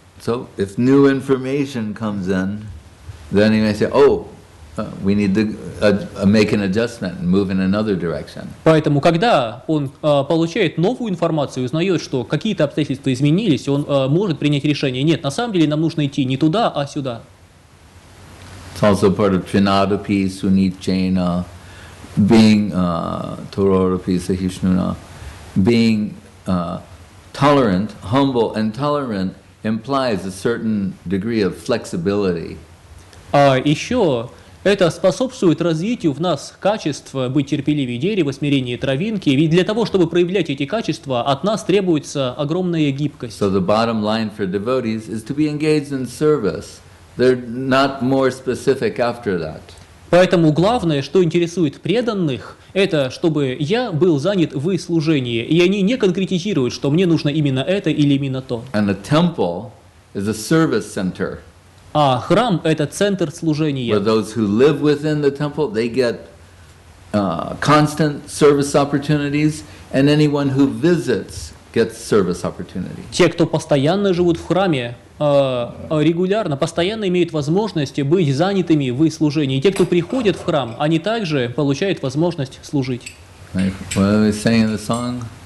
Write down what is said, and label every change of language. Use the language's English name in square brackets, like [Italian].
[English] So, if new information comes in, then he may say, oh, we need to make an adjustment and move in another direction. [Russian] Поэтому, когда он получает новую информацию, узнает, что какие-то обстоятельства изменились, он может принять решение. Нет, на самом деле нам нужно идти не туда, а сюда. [English] It's also part of [Sanskrit] Trinadapi, Sunichena, [English] being Tororapi, Sahishnuna, being tolerant, humble, and tolerant implies a certain degree of flexibility. [Russian] Еще это способствует развитию в нас качеств быть терпеливее дерева, смирение травинки. Ведь для того, чтобы проявлять эти качества, от нас требуется огромная гибкость. [English] So the bottom line for devotees is to be engaged in service. They're not more specific after that. [Russian] Поэтому главное, что интересует преданных, это чтобы я был занят в служении, и они не конкретизируют, что мне нужно именно это или именно то. [English] And the temple is a service center. [Russian] А храм – это центр служения. [English] For those who live within the temple, they get constant service opportunities, and anyone who visits gets service opportunity. [Russian] Те, кто постоянно живут в храме, регулярно, постоянно имеют возможность быть занятыми в служении. И те, кто приходят в храм, они также получают возможность служить. [English] Like, what are we saying in the song?